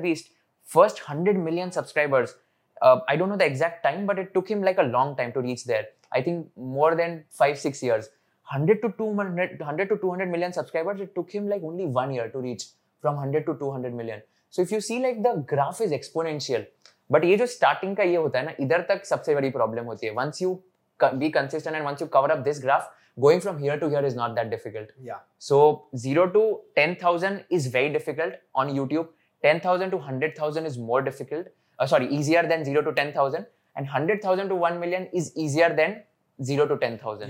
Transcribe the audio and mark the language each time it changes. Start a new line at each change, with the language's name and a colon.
English: Beast, first 100 million subscribers. I don't know the exact time, but it took him like a long time to reach there. I think more than 5-6 years. 100 to 200 million subscribers, it took him like only 1 year to reach from 100 to 200 million. So if you see like the graph is exponential.
Hindi: But ये जो starting का ये होता है ना, इधर तक सबसे बड़ी problem होती है.
English: Once you be consistent and once you cover up this graph, going from here to here is not that difficult. Yeah. So 0 to 10,000 is very difficult on YouTube. 10,000 to 100,000 is more difficult. Easier than 0 to 10,000. And 100,000 to 1 million is easier than 0 to 10,000.